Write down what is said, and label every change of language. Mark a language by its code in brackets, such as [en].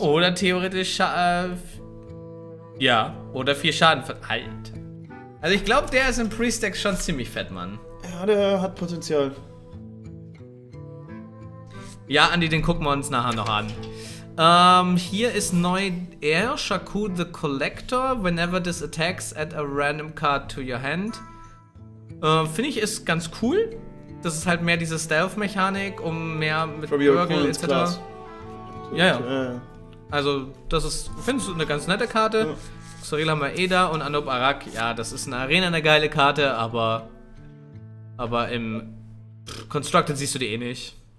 [de] Oder theoretisch, oder 4 Schaden verteilen. Also ich glaube, der ist im Priest-Deck schon ziemlich fett, Mann. Ja, der hat Potenzial. Ja, Andi, den gucken wir uns nachher noch an. Hier ist neu Air, Shaku the Collector. [en] Whenever this attacks, add a random card to your hand. [de] Finde ich, ist ganz cool. Das ist halt mehr diese Stealth-Mechanik, um mehr mit Burgle etc. Ja, ja. Also, das ist, findest du, eine ganz nette Karte. Ja. Xoril haben wir eh da und Anub Arak. Ja, das ist eine Arena, eine geile Karte, aber. Aber im Constructed siehst du die eh nicht.